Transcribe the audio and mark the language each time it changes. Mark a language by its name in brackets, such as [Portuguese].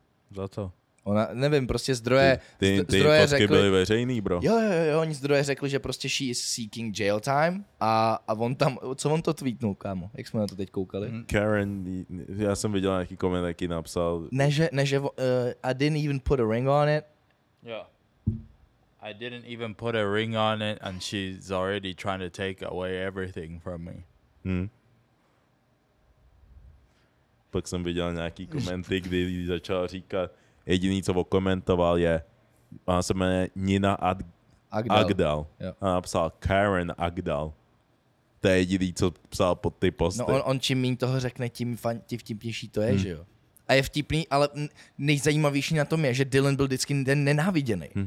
[Czech] Za co? Ona, nevím, prostě zdroje... Ty zdroje fotky řekli, byly veřejný, bro. Jo, oni zdroje řekli, že prostě [English] she is seeking jail time [Czech] a on tam, co on to tweetnul, kámo, jak jsme na to teď koukali? Karen, já jsem viděl nějaký koment, jaký napsal. [English] I didn't even put a ring on it. Yeah. I didn't even put a ring on it and she's already trying to take away everything from me. Hmm. [Czech] Pak jsem viděl nějaký komenty, kdy začal říkat... Jediný, co okomentoval, je, ona se jmenuje Nina Agdal. A napsal Karen Agdal. To je jediný, co psal pod ty posty. No on čím méně toho řekne, tím vtipnější to je, že jo. A je vtipný, ale nejzajímavější na tom je, že Dylan byl vždycky ten nenáviděný.